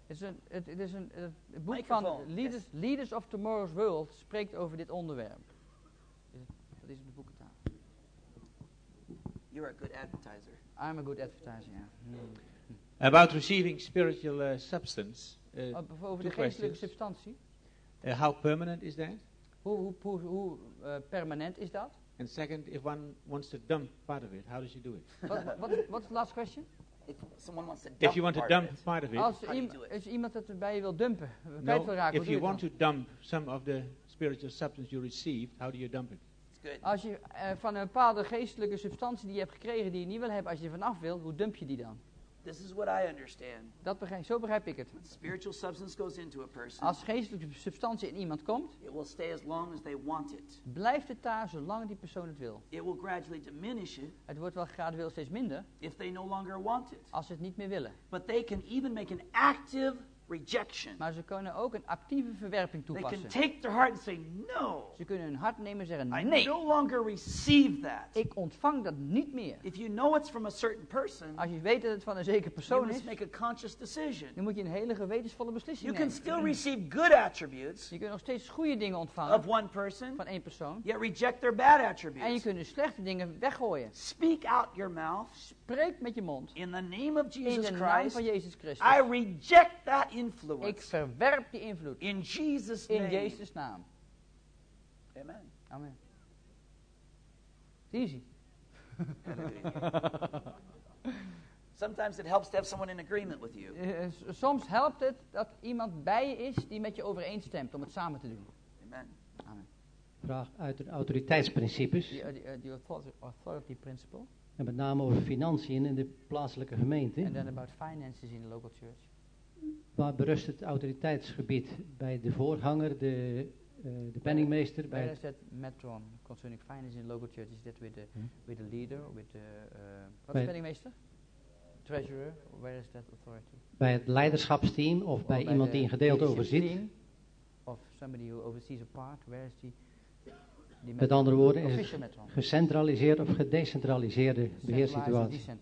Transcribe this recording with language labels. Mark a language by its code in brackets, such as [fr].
[nl] Het is een boek microphone. Van Leaders, yes. Leaders of Tomorrow's World spreekt over dit onderwerp. Dat is op de boekentafel. [en] You are a good advertiser. I'm a good advertiser, yeah. Mm. About receiving spiritual substance. [nl] Over de geestelijke substantie. [en] How permanent is that? [nl] Hoe permanent is dat? [en] And second, if one wants to dump part of it, how does he do it? What's the last question? If someone wants to dump, part of it, [nl] als iemand dat bij je wil dumpen, kwijt wil raken, [en] if you want to dump some of the spiritual substance you received, how do you dump it? [nl] Als je van een bepaalde geestelijke substantie die je hebt gekregen die je niet wil hebben, als je er vanaf wil, hoe dump je die dan? [en] This is what I understand. [nl] Zo begrijp ik het. [en] When spiritual substance goes into a person, [nl] als geestelijke substantie in iemand komt, [en] it will stay as long as they want it. [nl] Blijft het daar zolang die persoon het wil. [en] It will gradually diminish it. [nl] Het wordt wel gradueel steeds minder. [en] If they no longer want it. [nl] Als ze het niet meer willen. [en] But they can even make an active rejection. [nl] Maar ze kunnen ook een actieve verwerping toepassen. [en] They can take their heart and say no. [nl] Ze kunnen hun hart nemen en zeggen [en] I [nl] nee. [en] I no longer receive that. [nl] Ik ontvang dat niet meer. [en] If you know it's from a certain person. [nl] Als je weet dat het van een zekere persoon [en] you [nl] is, [en] must make a conscious decision. [nl] Dan moet je een hele gewetensvolle beslissing [en] you [nl] nemen. [en] You can still receive good attributes. [nl] Je kunt nog steeds goede dingen ontvangen. [en] Of one person. [nl] Van één persoon. [en] Yet reject their bad attributes. [nl] En je kunt de slechte dingen weggooien. [en] Speak out your mouth. [nl] Spreek met je mond. [en] In the name of Jesus [nl] in de [en] Christ, [nl] naam van Jezus Christus. [en] I reject that influence. [nl] Ik verwerp die invloed. [en] In Jesus name. [nl] In Jezus naam. Amen. [en] Amen. It's easy. Sometimes it helps to have someone in agreement with you. [nl] Soms helpt het dat iemand bij je is die met je overeenstemt om het samen te doen. Amen. Amen. Vraag uit de autoriteitsprincipes. [en] The authority principle. [nl] En met name over financiën in de plaatselijke gemeente. [en] And then about finances in the local church. [nl] Waar berust het autoriteitsgebied? Bij de voorganger, de penningmeester? Is dat [en] metron concerning finance in local church? Is dat with the leader? With the penningmeester? Treasurer? Where is that authority? [nl] Bij het leiderschapsteam of bij iemand die een gedeelte overziet? [en] of somebody who oversees a part, where is the [nl] met andere woorden, is het gecentraliseerde of gedecentraliseerde beheerssituatie.